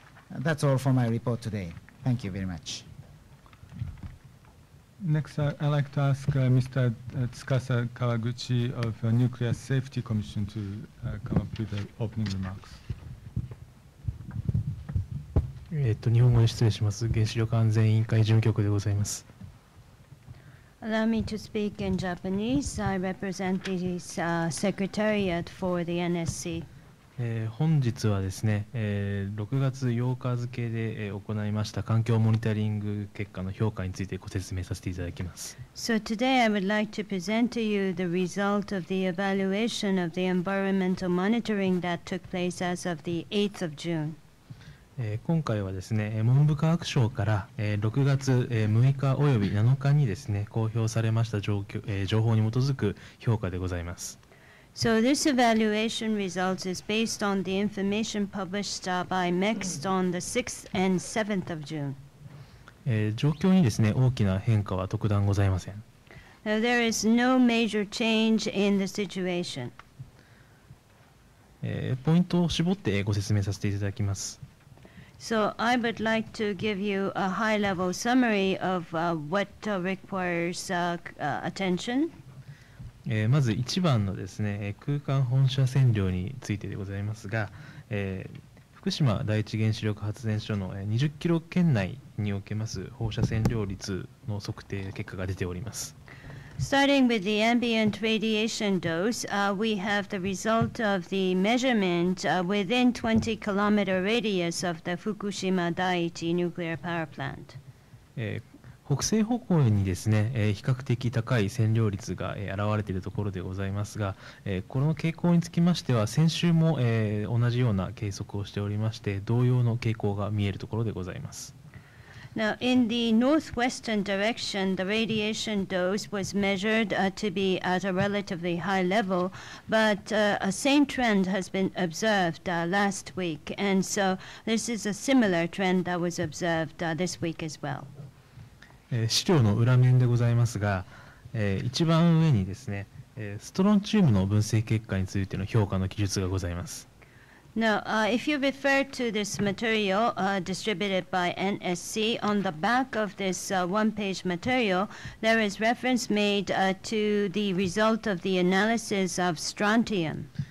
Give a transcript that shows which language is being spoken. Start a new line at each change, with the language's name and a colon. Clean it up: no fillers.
English: That's all for my report today. Thank you very much. Next, I'd like to ask Mr. Tsukasa Kawaguchi of the Nuclear Safety Commission to come up with the opening remarks.
Japanese: 日本語で失礼します。原子力安全委員会事務局でございます。
English: Allow me to speak in Japanese. I represent the Secretariat for the NSC.
Japanese: 本日はですね、6月8日付で行いました環境モニタリング結果の評価についてご説明させていただきます。
English: So today I would like to present to you the result of the evaluation of the environmental monitoring that took place as of the 8th of June.
Japanese: 今回はですね、文部科学省から6月6日および7日にですね、公表されました情報に基づく評価でございます。
English: So this evaluation results is based on the information published by MEXT on the 6th and 7th of June.
Japanese: 状況にですね、大きな変化は特段ございません。
English: Now there is no major change in the situation.
Japanese: ポイントを絞ってご説明させていただきます。
English: So I would like to give you a high-level summary of what requires attention.
Japanese: まず一番のですね、空間放射線量についてでございますが、福島第一原子力発電所の20キロ圏内におけます放射線量率の測定結果が出ております。
English: Starting with the ambient radiation dose, we have the result of the measurement within 20 kilometer radius of the Fukushima Daiichi nuclear power plant.
Japanese: 北西方向にですね、比較的高い線量率が現れているところでございますが、この傾向につきましては先週も同じような計測をしておりまして、同様の傾向が見えるところでございます。
English: Now, in the northwestern direction, the radiation dose was measured to be at a relatively high level, but a same trend has been observed last week, and so this is a similar trend that was observed this week as well.
Japanese: 資料の裏面でございますが、一番上にですね、ストロンチウムの分析結果についての評価の記述がございます。
English: Now, if you refer to this material distributed by NSC, on the back of this one-page material, there is reference made to the result of the analysis of strontium.